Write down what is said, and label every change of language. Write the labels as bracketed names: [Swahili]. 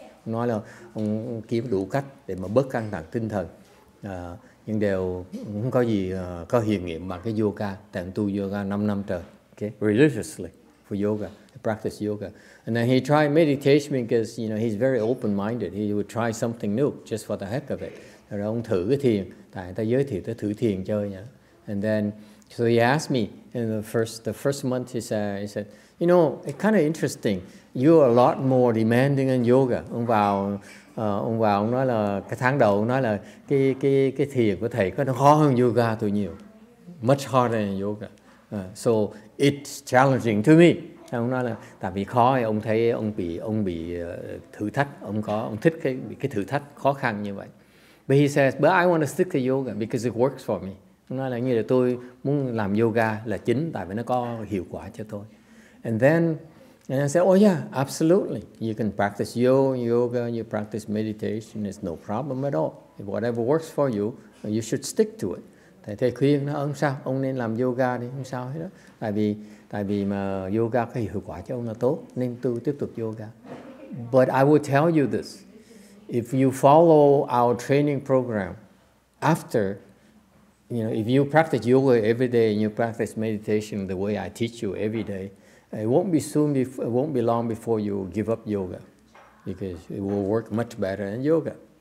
[Vietnamese] Nói là ông kiếm đủ cách để mà bớt căng thẳng tinh thần, nhưng đều không có gì có hiệu nghiệm bằng cái yoga. Tận tu yoga 5 năm trời, [English] okay, religiously for yoga, he practiced yoga. And then he tried meditation because, you know, he's very open-minded. He would try something new just for the heck of it. [Vietnamese] Rồi ông thử cái thiền, tại người ta giới thiệu tới thử thiền chơi nhỉ. [English] And then, so he asked me in the first month, he said, you know, it's kind of interesting. You're a lot more demanding than yoga. [Vietnamese] Ông vào ông nói là cái tháng đầu ông nói là cái thiền của thầy có nó khó hơn yoga tôi nhiều, [English] much harder than yoga. So it's challenging to me. [Vietnamese] Thì ông nói là tại vì khó, ông thấy ông bị thử thách, ông thích cái thử thách khó khăn như vậy. [English] But he says, but I want to stick to yoga because it works for me. [Vietnamese] Nói là như là tôi muốn làm yoga là chính tại vì nó có hiệu quả cho tôi. [English] And I said, oh yeah, absolutely. You can practice yoga, you practice meditation, it's no problem at all. If whatever works for you, you should stick to it. [Vietnamese] Thầy thầy khuyên nó, ông sao, ông nên làm yoga đi, không sao hết đó. Tại vì mà yoga có hiệu quả cho ông là tốt, nên tôi tiếp tục yoga. [English] But I will tell you this. If you follow our training program, after, you know, if you practice yoga every day and you practice meditation the way I teach you every day, it won't be long before you give up yoga, because it will work much better than yoga.